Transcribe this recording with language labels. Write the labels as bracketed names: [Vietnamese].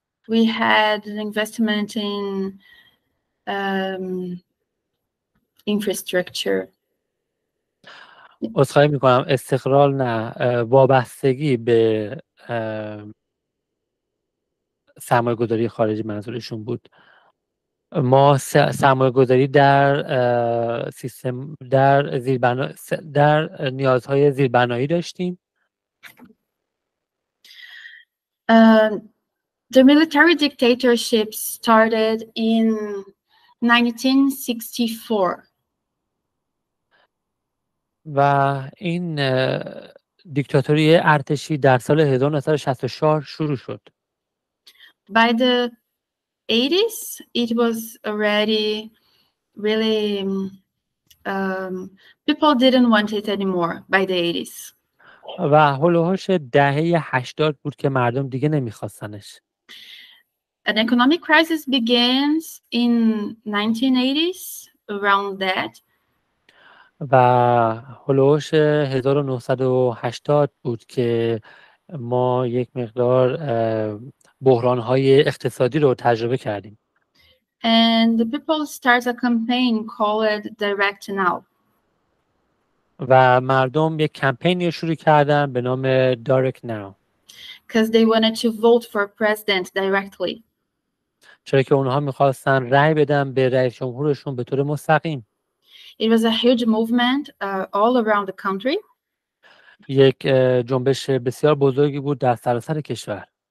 [English] We had an investment in infrastructure. [Persian] اصخایی میکنم استقلال نه وابستگی به سرمایه گذاری خارجی منظورشون بود. ما سرمایه گذاری در سیستم در زیربنا در نیازهای زیربنایی داشتیم. [English] The military dictatorship started in 1964. [Persian] و این دیکتاتوری ارتشی در سال 1964 شروع شد. [English] by the 80s, it was already really, people didn't want it anymore by the 80s. [Persian] و هولوهاش دهه 80 بود که مردم دیگه نمیخواستنش. [English] An economic crisis begins in 1980s, around that. [Persian] و هولوهاش 1980 بود که ما یک مقدار بحران‌های اقتصادی رو تجربه کردیم. [English] And the people start a campaign called Direct Now. [Persian] و مردم یک کمپینی شروع کردن به نام Direct Now. [English] Because they wanted to vote for president directly. [Persian] چرا که اونها میخواستن رأی بدن به رئیس جمهورشون به طور مستقیم. [English] It was a huge movement all around the country. [Persian] یک جنبش بسیار بزرگی بود در سراسر کشور.